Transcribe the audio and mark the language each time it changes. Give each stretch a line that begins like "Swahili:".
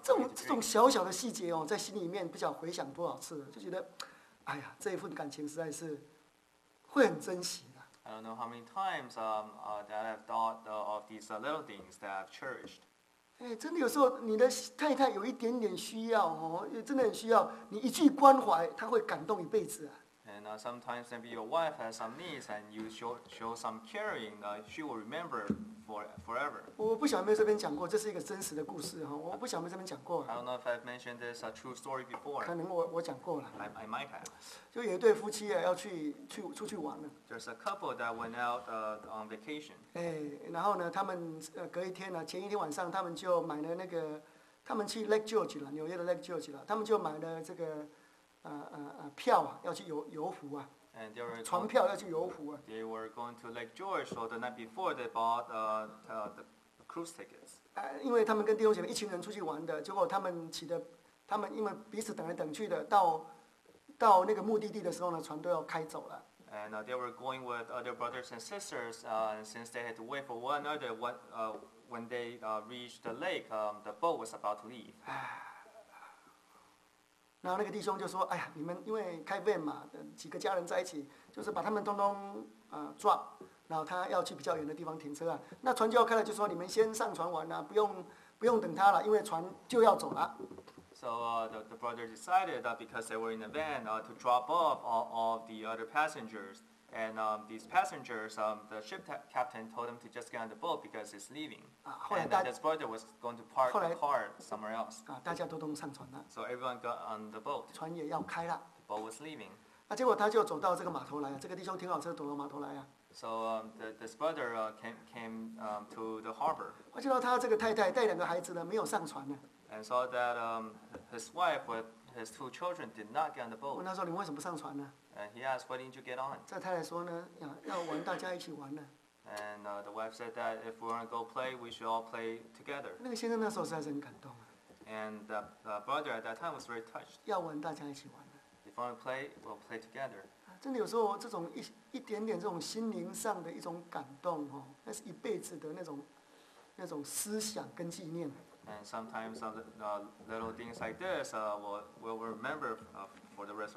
Chinese: 这种小小的细节哦，在心里面不晓得回想多少次，就觉得，哎呀，这一份感情实在是会很珍惜的。
English: I don't know how many times that I've thought of these little things that I've cherished.
Chinese: 哎，真的有时候你的太太有一点点需要哦，也真的很需要你一句关怀，她会感动一辈子啊。
English: And sometimes maybe your wife has some needs and you show some caring, she will remember forever.
Chinese: 我不晓得没有这边讲过，这是一个真实的故事哈。我不晓得没这边讲过。
English: I don't know if I've mentioned this a true story before.
Chinese: 可能我讲过了。
English: I might have.
Chinese: 就有一对夫妻啊，要去出去玩了。
English: There's a couple that went out on vacation.
Chinese: 哎，然后呢，他们隔一天呢、啊，前一天晚上他们就买了那个，他们去 Lake George 了，纽约的 Lake George 了，他们就买了这个。票啊，要去游湖啊，船票要去游湖啊。
English: They were going to Lake George, so the night before they bought the cruise tickets.
Chinese: 因为他们跟弟兄姐妹一群人出去玩的，结果他们因为彼此等来等去的，到那个目的地的时候呢，船都要开走了。
English: And they were going with other brothers and sisters, since they had to wait for one another, when they reached the lake, the boat was about to leave.
Chinese: 然后那个弟兄就说：“哎呀，你们因为开 van 嘛，几个家人在一起，就是把他们通通drop， 然后他要去比较远的地方停车啊。那船就要开了，就说你们先上船玩啊，不用等他了，因为船就要走了。”
English: So the brother decided that because they were in a van, to drop off all the other passengers, and these passengers, the ship captain told them to just get on the boat because it's leaving. And then this brother was going to park the car somewhere else.
Chinese: 大家都上船了。
English: So everyone got on the boat.
Chinese: 船也要开了。
English: The boat was leaving.
Chinese: 结果他就走到这个码头来了，这个弟兄停好车，走到码头来了。
English: So this brother came to the harbor.
Chinese: 我见到他这个太太带两个孩子呢，没有上船呢。
English: And saw that his wife with his two children did not get on the boat.
Chinese: 问他说：“你为什么不上船呢？”
English: And he asked, "Why didn't you get on?"
Chinese: 这太太说呢，要玩，大家一起玩呢。
English: And the wife said that if we want to go play, we should all play together.
Chinese: 那个先生那时候实在是很感动啊。
English: And the brother at that time was very touched.
Chinese: 要玩，大家一起玩。
English: If we want to play, we'll play together.
Chinese: 真的有时候这种一点点这种心灵上的一种感动哦，那是一辈子的那种思想跟纪念。
English: And sometimes little things like this will remember for the rest of our life.